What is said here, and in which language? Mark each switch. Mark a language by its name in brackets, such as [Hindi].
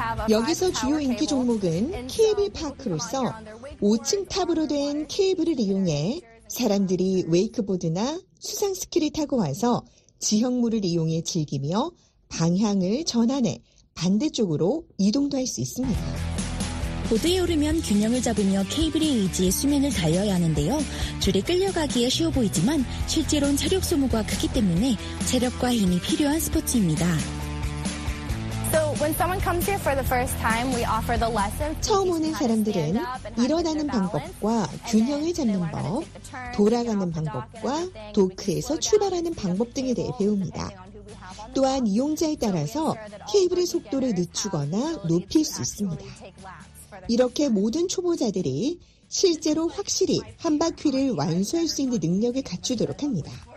[Korean] 여기서 주요 인기 종목은 케이블파크로서 5층 탑으로 된 케이블을 이용해 사람들이 웨이크보드나 수상스키를 타고 와서 지형물을 이용해 즐기며 방향을 전환해 반대쪽으로 이동도 할 수 있습니다. 보드에 오르면 균형을 잡으며 케이블의 의지에 수면을 달려야 하는데요. 줄에 끌려가기에 쉬워 보이지만 실제로는 체력 소모가 크기 때문에 체력과 힘이 필요한 스포츠입니다. [English] So when someone comes here for the first time, we offer the lesson. [Korean] 처음 오는 사람들은 일어나는 방법과 균형을 잡는 법, 돌아가는 방법과 도크에서 출발하는 방법 등에 대해 배웁니다. 또한 이용자에 따라서 케이블의 속도를 늦추거나 높일 수 있습니다. 이렇게 모든 초보자들이 실제로 확실히 한 바퀴를 완수할 수 있는 능력을 갖추도록 합니다.